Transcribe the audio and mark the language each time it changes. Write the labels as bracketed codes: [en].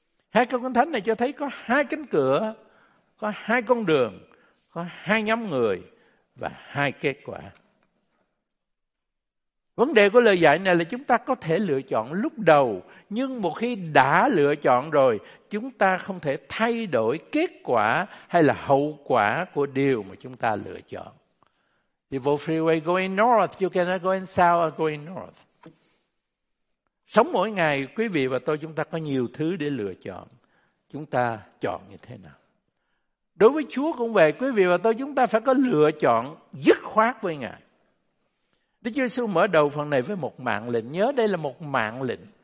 [vi] Hai câu Kinh Thánh này cho thấy có hai cánh cửa, có hai con đường, có hai nhóm người và hai kết quả. Vấn đề của lời dạy này là chúng ta có thể lựa chọn lúc đầu, nhưng một khi đã lựa chọn rồi, chúng ta không thể thay đổi kết quả hay là hậu quả của điều mà chúng ta lựa chọn. [en] If you're freeway going north, you cannot go south or going north. [vi] Sống mỗi ngày, quý vị và tôi, chúng ta có nhiều thứ để lựa chọn. Chúng ta chọn như thế nào? Đối với Chúa cũng vậy, quý vị và tôi, chúng ta phải có lựa chọn dứt khoát với Ngài. Đức Chúa Jesus mở đầu phần này với một mạng lệnh. Nhớ đây là một mạng lệnh.